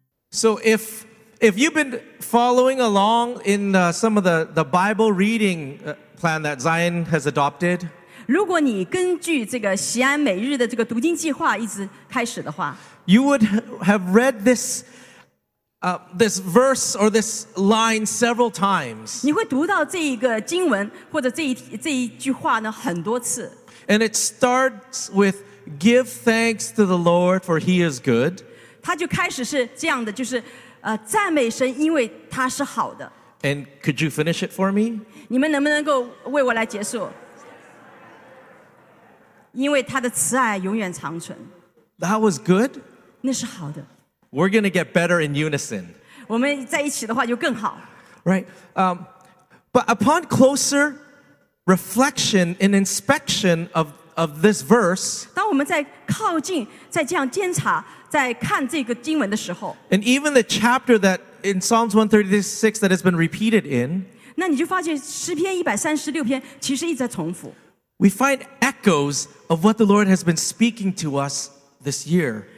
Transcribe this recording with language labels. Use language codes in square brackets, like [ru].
[en] So if you've been following along in some of the Bible reading plan that Zion has adopted, [zh] 如果你根据这个西安每日的这个读经计划一直开始的话, [en] you would have read this this verse or this line several times. [zh] 你会读到这一个经文或者这一句话呢很多次. [en] And it starts with give thanks to the Lord for he is good. [zh] 它就开始是这样的，就是 赞美神因为他是好的. [en] And could you finish it for me? [zh] 你们能不能够为我来结束? 因为他的慈爱永远长存. [en] That was good? [zh] 那是好的. [en] We're going to get better in unison. [zh] 我们在一起的话就更好. [en] Right. But upon closer reflection and inspection of this verse, [zh] 当我们在靠近，在这样监察, 在看这个经文的时候, [en] and even the chapter that in Psalms 136 that has been repeated in, [zh] 那你就发现诗篇136篇其实一直在重复. [en] We find echoes of what the Lord has been speaking to us this year,